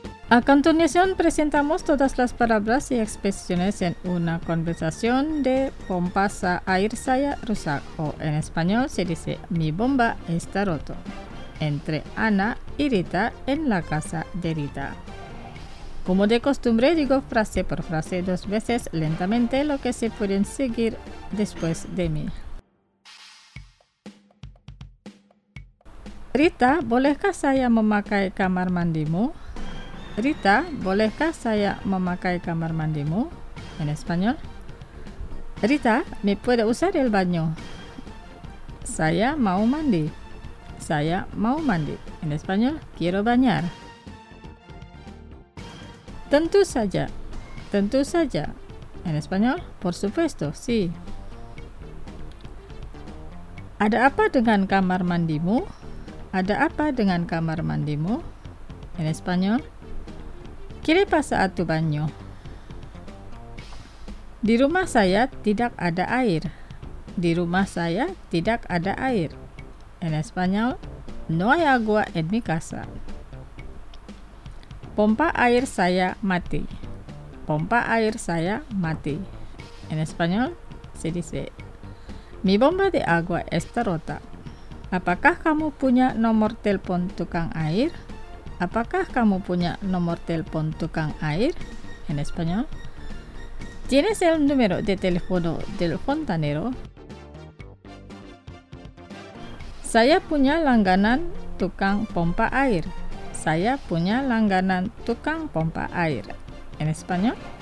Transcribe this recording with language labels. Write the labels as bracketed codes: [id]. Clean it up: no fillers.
[es] A continuación presentamos todas las palabras y expresiones en una conversación de [id] Pompasa Air Saya Rusak, [es] o en español se dice mi bomba está roto, entre Ana y Rita en la casa de Rita. Como de costumbre digo frase por frase dos veces lentamente lo que se pueden seguir después de mí. [id] Rita, ¿bolehkah saya memakai kamar mandimu? Rita, ¿bolehkah saya memakai kamar mandimu? [es] En español. Rita, ¿me puede usar el baño? [id] Saya mau mandi. Saya mau mandi. [es] En español, quiero bañar. [id] Tentu saja. Tentu saja. [es] En español, por supuesto, sí. [id] ¿Ada apa dengan kamar mandimu? ¿Ada apa dengan kamar mandimu? [es] En español. ¿Qué le pasa a tu baño? [id] Di rumah saya tidak ada air. Di rumah saya tidak ada air. [es] En español, no hay agua en mi casa. [id] Pompa air saya mati. Pompa air saya mati. [es] En español, se dice, mi bomba de agua está rota. [id] ¿Apakah kamu punya nomor telepon tukang air? ¿Apakah kamu punya nomor telepon tukang air? [es] En español. ¿Tienes el número de teléfono del fontanero? [id] Saya punya langganan tukang pompa air. Saya punya langganan tukang pompa air. [es] En español.